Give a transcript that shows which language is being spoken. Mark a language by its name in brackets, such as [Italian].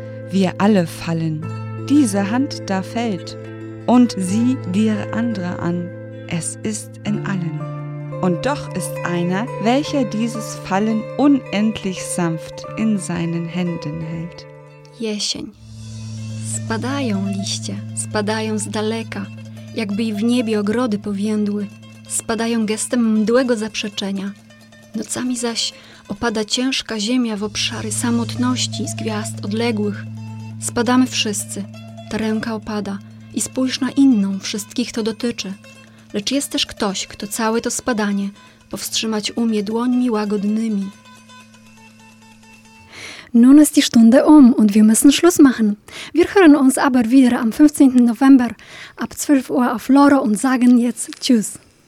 [German] Wir alle fallen, diese Hand da fällt, und sieh dir andere an, es ist in allen. Und doch ist einer, welcher dieses Fallen unendlich sanft in seinen Händen hält. [Polish] Jesień. Spadają liście, spadają z daleka, jakby i w niebie ogrody powiędły. Spadają gestem mdłego zaprzeczenia. Nocami zaś opada ciężka ziemia w obszary samotności z gwiazd odległych. Spadamy wszyscy, ta ręka opada i spójrz na inną, wszystkich to dotyczy. Lecz jest też ktoś, kto całe to spadanie powstrzymać umie dłońmi łagodnymi. [German] Nun ist die Stunde und wir müssen Schluss machen. Wir hören uns aber wieder am 15. November ab 12 Uhr auf Loro und sagen jetzt Tschüss.